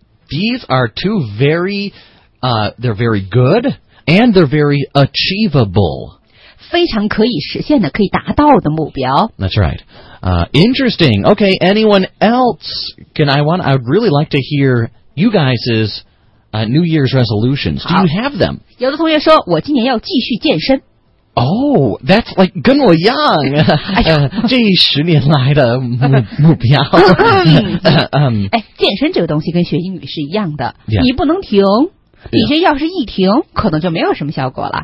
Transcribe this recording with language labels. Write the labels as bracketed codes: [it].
[en] These are two very, they're very good, and they're very achievable. [zh] 非常可以实现的，可以达到的目标。 [en] That's right. Interesting. Okay, anyone else? I'd really like to hear you guys' New Year's resolutions. Do you have them? [zh] 有的同学说，我今年要继续健身。 [en] Oh, that's like [zh] 跟我一样。这十年来的目标。健身这个东西跟学英语是一样的。 [en] Yeah. [zh] 你不能停。Yeah. 你这要是一停，可能就没有什么效果了。